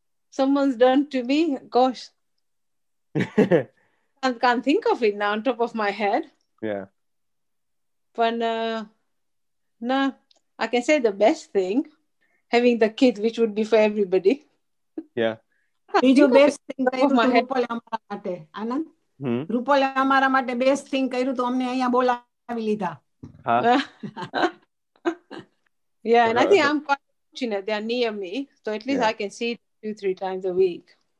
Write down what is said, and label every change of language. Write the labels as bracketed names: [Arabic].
[English] Someone's done to me. Gosh. I can't think of it now on top of my head. Yeah. But nah, I can say the best thing. Having the kids, which would be for everybody. Yeah. [Gujarati] બીજો best thing કર્યું તો રૂપલ અમારા માટે. આનંદ, રૂપલ અમારા માટે best thing કર્યું તો અમને અહીંયા બોલાવી લીધા. [English] Yeah, and I think I'm quite fortunate. They are near me. So at least I can see two, three times a week.